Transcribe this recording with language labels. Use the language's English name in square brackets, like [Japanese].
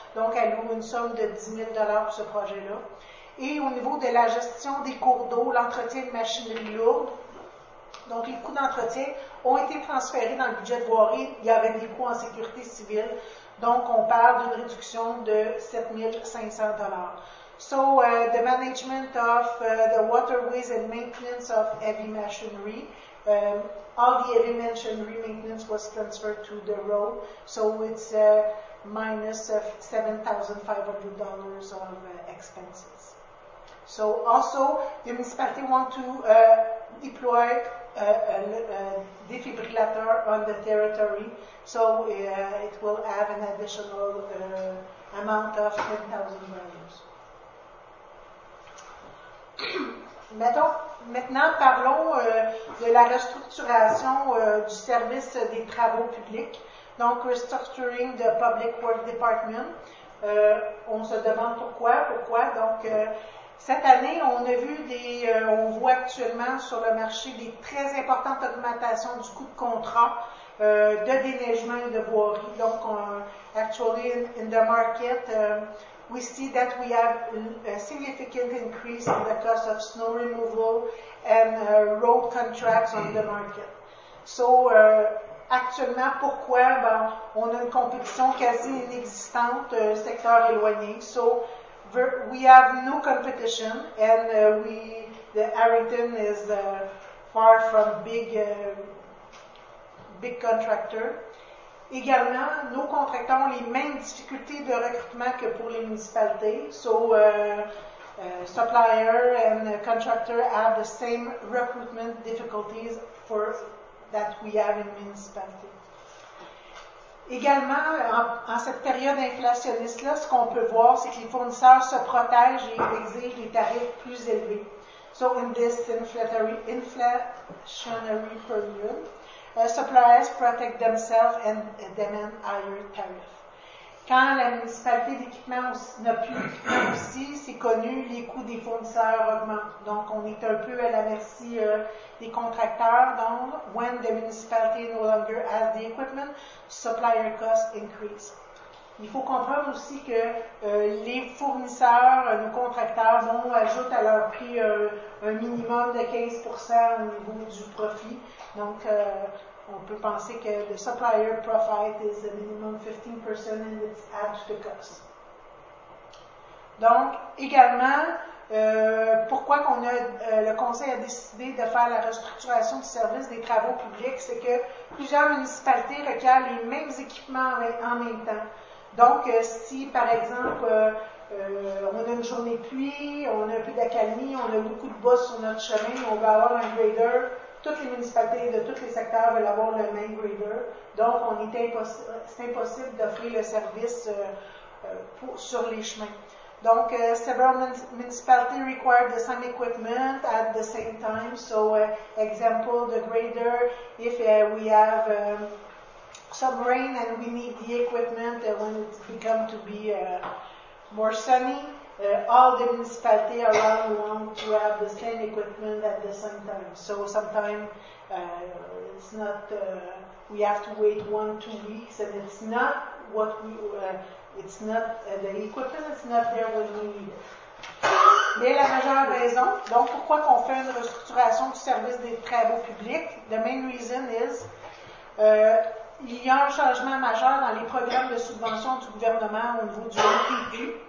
[French] Donc, elle loue une somme de $10,000 pour ce projet-là. Et au niveau de la gestion des cours d'eau, l'entretien de machinerie lourde, donc les coûts d'entretien ont été transférés dans le budget de voirie, il y avait des coûts en sécurité civile, donc on parle d'une réduction de $7,500. [English] So, the management of the waterways and maintenance of heavy machinery, all the heavy machinery maintenance was transferred to the road, so it's minus $7,500 of expenses. So, also, the municipality want to deploy a defibrillator on the territory, so it will have an additional amount of $10,000. [French] Maintenant, parlons de la restructuration du service des travaux publics, donc [English] restructuring the public work department. [French] On se demande pourquoi, donc... cette année, on a vu on voit actuellement sur le marché des très importantes augmentations du coût de contrat de déneigement et de voirie. [English] Donc, actually, in the market, we see that we have a significant increase in the cost of snow removal and road contracts on the market. [French] So, actuellement, pourquoi? Ben, on a une compétition quasi inexistante, secteur éloigné. [English] So, we have no competition, and the Arrington is far from big contractor. [French] Également, nos contracteurs ont les mêmes difficultés de recrutement que pour les municipalités. [English] So, supplier and contractor have the same recruitment difficulties that we have in municipality. [French] Également, en cette période inflationniste-là, ce qu'on peut voir, c'est que les fournisseurs se protègent et exigent des tarifs plus élevés. [English] So, in this inflationary period, suppliers protect themselves and demand higher tariffs. [French] Quand la municipalité d'équipement n'a plus d'équipement aussi, c'est connu, les coûts des fournisseurs augmentent. Donc, on est un peu à la merci des contracteurs. [English] Donc, when the municipality no longer has the equipment, supplier costs increase. [French] Il faut comprendre aussi que les fournisseurs, nos contracteurs, bon, ajoutent à leur prix un minimum de 15% au niveau du profit. Donc, on peut penser que le [English] supplier profit is a minimum 15% and it's add to the cost. [French] Donc, également, pourquoi le conseil a décidé de faire la restructuration du service des travaux publics, c'est que plusieurs municipalités requièrent les mêmes équipements en même temps. Donc, si, par exemple, on a une journée de pluie, on a un peu d'accalmie, on a beaucoup de bosses sur notre chemin, on va avoir un grader. Toutes les municipalités de tous les secteurs veulent avoir le même grader. Donc, c'est impossible d'offrir le service sur les chemins. [English] Donc, several municipalities require the same equipment at the same time. So, example, the grader, if we have sub-rain and we need the equipment when it becomes to be more sunny. All the municipalities around want to have the same equipment at the same time. So sometimes it's not, we have to wait 1-2 weeks and it's not what we, it's not, the equipment is not there when we need it. [French] Mais la majeure raison, donc pourquoi qu'on fait une restructuration du service des travaux publics, [English] the main reason is, [French] il y a un changement majeur dans les programmes de subvention du gouvernement au niveau du MPQ.